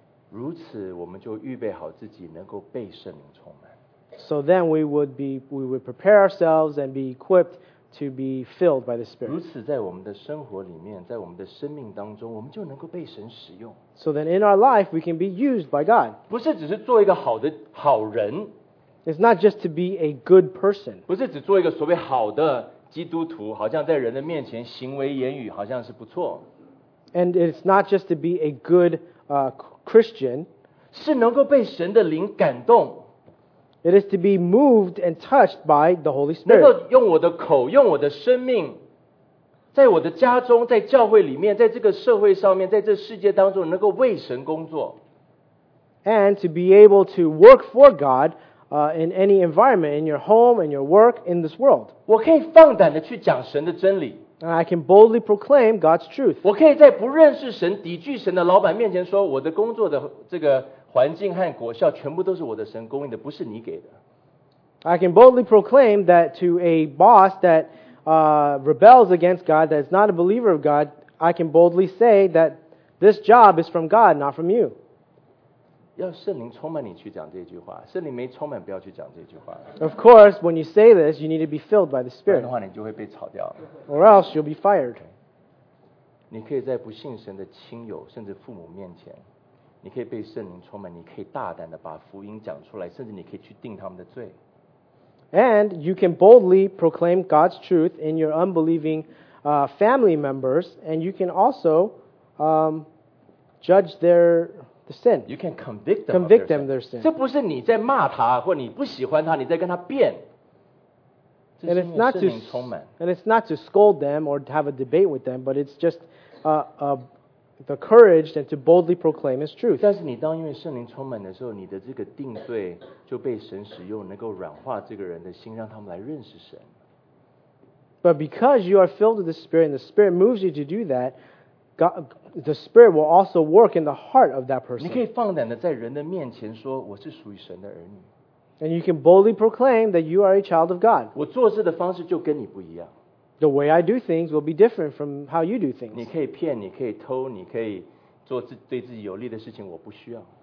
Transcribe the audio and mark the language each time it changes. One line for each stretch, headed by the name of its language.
Chinese: 如此，我们就预备好自己，能够被圣灵充满。
English: So then we would prepare ourselves and be equipped to be filled by the Spirit.
Chinese: 如此，在我们的生活里面，在我们的生命当中，我们就能够被神使用。
English: So then in our life we can be used by God.
Chinese: 不是只是做一个好的好人。
English: It's not just to be a good person.
Chinese: 不是只做一个所谓好的基督徒，好像在人的面前行为言语好像是不错。
English: And it's not just to be a good Christian.
Chinese: 是能够被神的灵感动。
English: It is to be moved and touched by the Holy Spirit.
Chinese: 能够用我的口，用我的生命，在我的家中，在教会里面，在这个社会上面，在这世界当中，能够为神工作。
English: And to be able to work for God. In any environment, in your home, in your work, in this world.
Chinese: 我可以放胆地去讲神的真理。
English: And I can boldly proclaim God's truth.
Chinese: 我可以在不认识神、抵拒神的老板面前说，我的工作的这个环境和果效全部都是我的神供应的，不是你给的。
English: I can boldly proclaim that to a boss that rebels against God, that is not a believer of God, I can boldly say that this job is from God, not from you.
Chinese: 要圣灵充满你去讲这句话，圣灵没充满不要去讲这句话。
English: Of course, when you say this, you need to be filled by the Spirit.
Chinese: 不然的话你就会被炒掉。
English: Or else you'll be fired.
Chinese: 你可以在不信神的亲友甚至父母面前，你可以被圣灵充满，你可以大胆的把福音讲出来，甚至你可以去定他们的罪。
English: And you can boldly proclaim God's truth in your unbelieving family members, and you can also judge their sin. You can convict them. Convict of their them. Sin.
Chinese: 这不是你在骂他，或你不喜欢他，你在跟他辩。
English: And it's not to scold them or have a debate with them, but it's just the courage and to boldly proclaim His truth.
Chinese: 但是你当因为圣灵充满的时候，你的这个定罪就被神使用，能够软化这个人的心，让他们来认识神。
English: But because you are filled with the Spirit, and the Spirit moves you to do that, God. The Spirit will also work in the heart of that person.
Chinese: 你可以放胆的在人的面前说，我是属于神的儿女。
English: And you can boldly proclaim that you are a child of God.
Chinese: 我做事的方式就跟你不一样。
English: The way I do things will be different from how you do things.
Chinese: 你可以骗，你可以偷，你可以做对自己有利的事情，我不需要。